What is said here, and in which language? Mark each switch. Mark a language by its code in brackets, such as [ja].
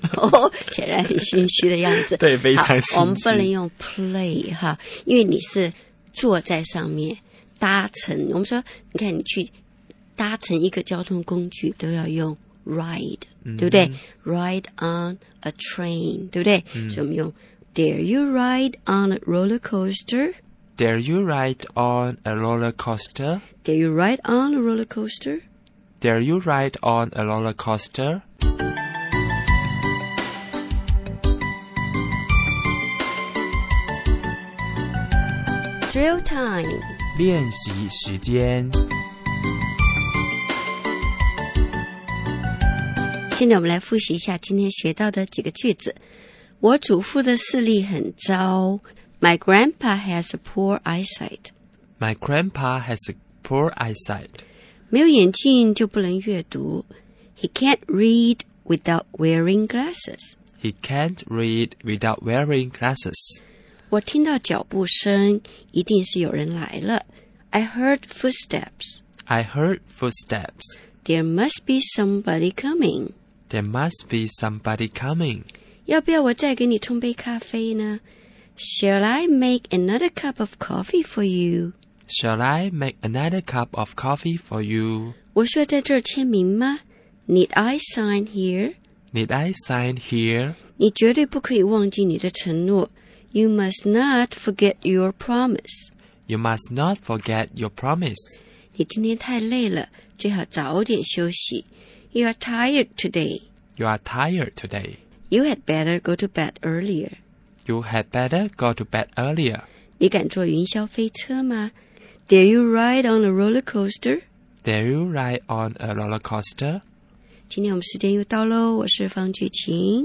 [zh] 哦，显然很心虚的样子。对，非常心虚。我们不能用 play 哈，因为你是坐在上面搭乘。我们说，你看你去搭乘一个交通工具都要用 ride，、对不对 ？ [en] Ride on a train， [zh] 对不对？嗯、所以我们用 [en] Dare you ride on a roller coaster？ Dare you ride on a roller coaster？ Dare you ride on a roller coaster？ Dare you ride on a roller coaster？ Drill time. [zh] 练习时间。现在我们来复习一下今天学到的几个句子。我祖父的视力很糟。 [en] My grandpa has a poor eyesight. My grandpa has a poor eyesight. [zh] 没有眼镜就不能阅读。 [en] He can't read without wearing glasses. He can't read without wearing glasses. [zh] 我听到脚步声，一定是有人来了。 [en] I heard footsteps. I heard footsteps. There must be somebody coming. There must be somebody coming. [zh] 要不要我再给你冲杯咖啡呢？ [en] Shall I make another cup of coffee for you? Shall I make another cup of coffee for you? [zh] 我需要在这儿签名吗？ [en] Need I sign here? Need I sign here? [zh] 你绝对不可以忘记你的承诺。 [en] You must not forget your promise. You must not forget your promise. [zh] 你今天太累了，最好早点休息。 [en] You are tired today. You are tired today. You had better go to bed earlier. You had better go to bed earlier. [zh] 你敢坐云霄飞车吗？ [en] Dare you ride on a roller coaster? Dare you ride on a roller coaster? [zh] 今天我们时间又到咯，我是方巨琴。